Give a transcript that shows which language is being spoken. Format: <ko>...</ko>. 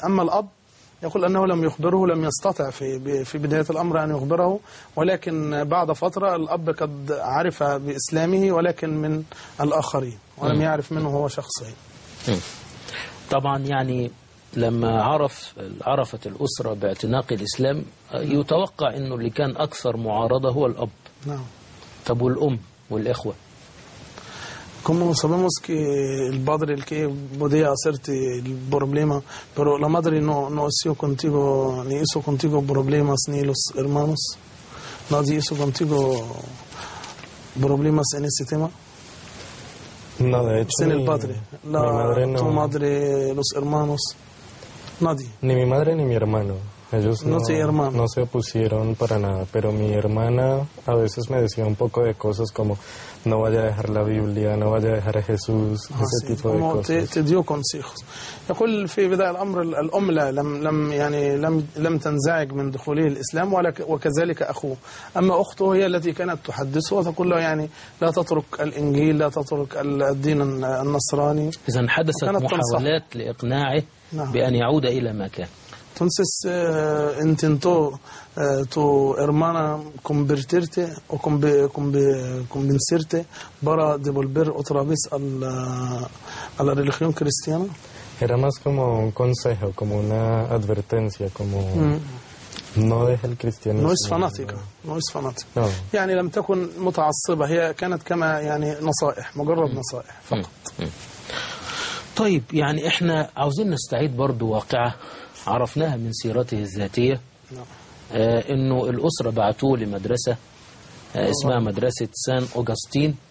<ar>أما الأب يقول أنه لم يخبره، لم يستطع في بداية الأمر أن يخبره، ولكن بعد فترة الأب قد عرف بإسلامه ولكن من الآخرين، ولم يعرف منه هو شخصيا. طبعا يعني لما عرفت الأسرة باعتناق الإسلام، يتوقع أنه اللي كان أكثر معارضة هو الأب. نعم. طب والأم والإخوة؟</ar> <es>كما sabemos que el padre el que podía hacerte el problema, pero la madre no hizo contigo ni hizo contigo problemas ni los hermanos, nadie hizo contigo problemas en ese tema. No, de hecho. Sin el padre. La, mi madre no. Tu madre, los hermanos. Nadie. Ni mi madre ni mi hermano. Ellos no, no, sí, hermano. No se opusieron para nada. Pero mi hermana a veces me decía un poco de cosas como: no vaya a dejar la Biblia, no vaya a dejar a Jesús, ah, ese sí, tipo de cosas. Te dio consejos.</es> <ar>يقول في بداية الأمر الأم لا لم يعني لم تنزعج من دخوله الإسلام وكذلك أخوه. أما أخته هي التي كانت تحدثه وتقول له يعني لا تترك الإنجيل، لا تترك الدين النصراني. إذا حدثت محاولات لإقناعه بأن يعود إلى ما كان.</ar> <es>Entonces intentó tu hermana convertirte o convencerte para devolver otra vez a la religión cristiana. Era más como un consejo, como una advertencia, como no deja el cristianismo. No es fanática, no es fanática. No.</es> <ar>يعني لم تكن متعصبة. هي كانت كما يعني نصائح، مجرد نصائح فقط. طيب يعني إحنا عاوزين نستعيد برضو واقعة عرفناها من سيرته الذاتية. نعم. إنه الأسرة بعتوه لمدرسة اسمها مدرسة سان أوغستين.</ar>